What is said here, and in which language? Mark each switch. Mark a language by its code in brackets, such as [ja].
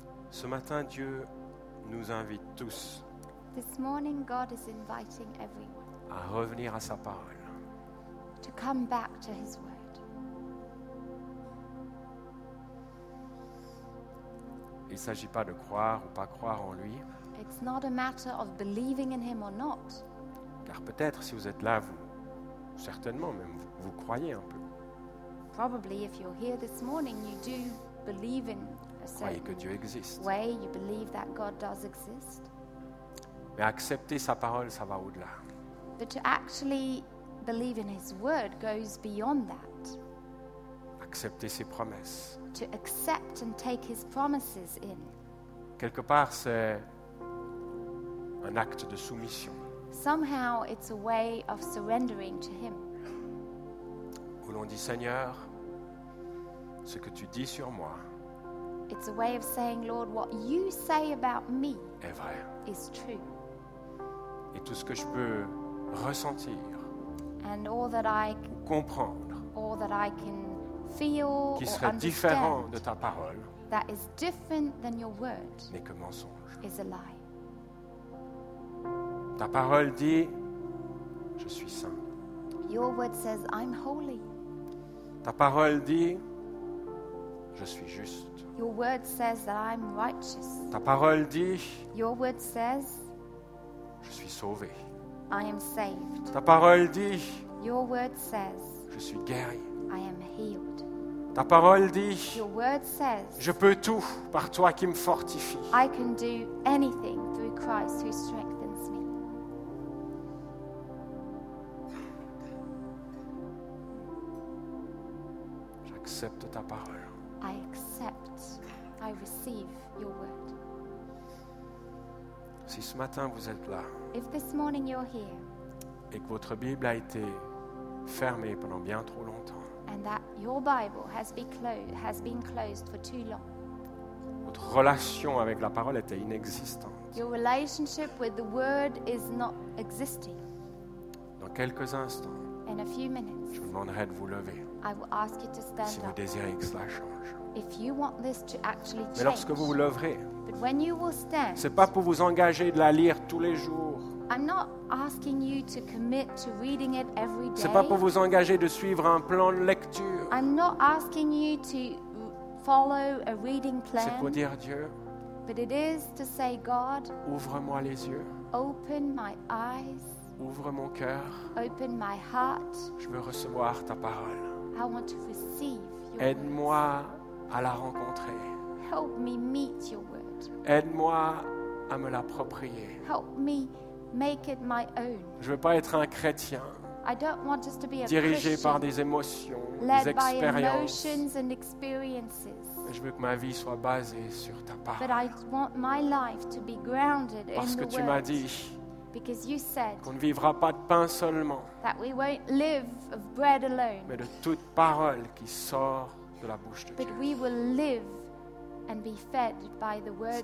[fr] Ce matin, Dieu nous invite tous [en] This morning, God is inviting everyone [fr] à revenir à sa parole. [en] To come back to his word. [fr] Il ne s'agit pas de croire ou pas croire en lui. [en] It's not a matter of believing in him or not. [fr] Car peut-être, si vous êtes là, vous, certainement même, vous croyez un peu. [en] Probably, if you're here this morning, you do believe in [fr] Croyez que Dieu existe. [en] Way you believe that God does exist. [fr] Mais accepter sa parole, ça va au-delà. [en] But to actually believe in his word goes beyond that. [fr] Accepter ses promesses. [en] To accept and take his promises in. [fr] Quelque part, c'est un acte de soumission. [en] Somehow it's a way of surrendering to him. [fr] Où l'on dit Seigneur, ce que tu dis sur moi [en] It's a way of saying, Lord, what you say about me [fr] est vrai. [en] Is true. [fr] Et tout ce que je peux ressentir [en] and all that I [fr] ou comprendre [en] all that I can feel [fr] qui serait différent de ta parole [en] that is different than your word [fr] n'est que mensonge. [en] Is a lie. [fr] Ta parole dit, je suis saint. [en] Your word says, I'm holy. [fr] Ta parole dit, je suis juste. [en] Your word says that I'm righteous. [fr] Ta parole dit, [en] your word says, [fr] je suis sauvé. [en] I am saved. [fr] Ta parole dit, [en] your word says, [fr] je suis guéri. [en] I am healed. [fr] Ta parole dit, [en] your word says, [fr] je peux tout par toi qui me fortifie. [en] I can do anything through Christ who strengthens. [fr] J'accepte ta parole. [en] I accept, I receive your word. [fr] Si ce matin vous êtes là, [en] if this morning you're here, [fr] et que votre Bible a été fermée pendant bien trop longtemps, [en] and that your Bible has been closed for too long, [fr] votre relation avec la parole était inexistante. [en] Your relationship with the word is not existing. [fr] Dans quelques instants, [en] in a few minutes, [fr] je vous demanderai de vous lever. [en] I will ask you to stand [fr] si vous désirez que cela change. [en] If you want this to actually change. [fr] Mais lorsque vous vous leverez, ce n'est pas pour vous engager de la lire tous les jours. [en] I'm not asking you to commit to reading it every day. Ce [fr] n'est pas pour vous engager de suivre un plan de lecture. [en] I'm not asking you to follow a reading plan. [fr] C'est pour dire Dieu, [en] but it is to say, God, [fr] ouvre-moi les yeux. [en] Open my eyes. [fr] Ouvre mon cœur. [en] Open my heart. [fr] Je veux recevoir ta parole. [en] I want to receive your word. [fr] Aide-moi à la rencontrer. [en] Help me meet your word. [fr] Aide-moi à me l'approprier. [en] Help me make it my own. [fr] Je ne veux pas être un chrétien. [en] I don't want just to be a [fr] dirigé [en] Christian, [fr] par des émotions, [en] led [fr] des expériences. [en] By emotions and experiences. [fr] Je veux que ma vie soit basée sur ta parole. [en] But I want my life to be grounded in the [fr] word. Parce que tu m'as dit. [en] Because you said [fr] qu'on ne vivra pas de pain seulement, [en] that we won't live of bread alone, [fr] mais de toute parole qui sort de la bouche de [en] but [fr] Dieu. [en] We will live and be fed by the words